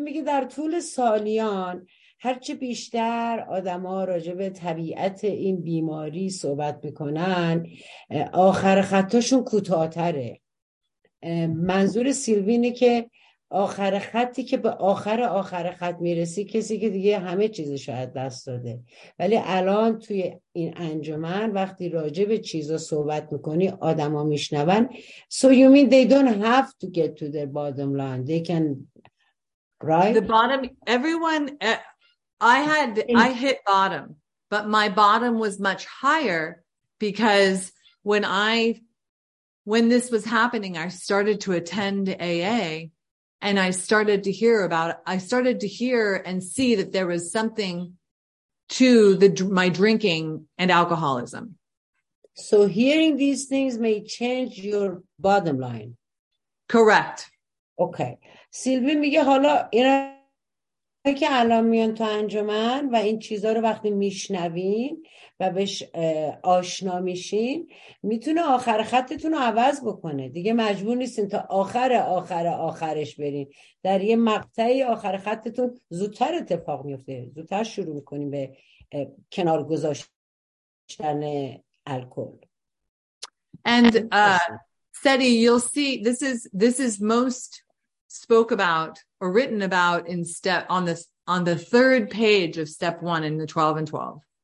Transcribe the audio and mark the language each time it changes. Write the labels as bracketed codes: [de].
[fa] میگه در طول سالیان هرچه بیشتر آدم ها راجع به طبیعت این بیماری صحبت میکنن، آخر خطاشون کوتاه‌تره. منظور سیلوی اینه که آخر خطی که به آخر خط میرسی کسی که دیگه همه چیزش رو از دست داده، ولی الان توی این انجمن وقتی راجع به چیزا صحبت میکنی آدم ها میشنون. [en] So you mean they don't have to get to their bottom line, they can, right? The bottom, everyone, I hit bottom, but my bottom was much higher because when this was happening, I started to attend AA and I started to hear and see that there was something to my drinking and alcoholism. So hearing these things may change your bottom line. Correct. Okay. [fa] سیلوی میگه حالا اینا که الان میان تو انجمن و این چیزها رو وقتی میشنوین و بهش آشنا میشین، میتونه آخر خطتون رو عوض بکنه. دیگه مجبور نیستین تا آخرش برین، در یه مقطعی آخر خطتون زودتر اتفاق میفته، زودتر شروع میکنین به کنار گذاشتن الکل. [en] And Sadie, you'll see this is most spoke about or written about in step on the third page of step one in the 12 and 12.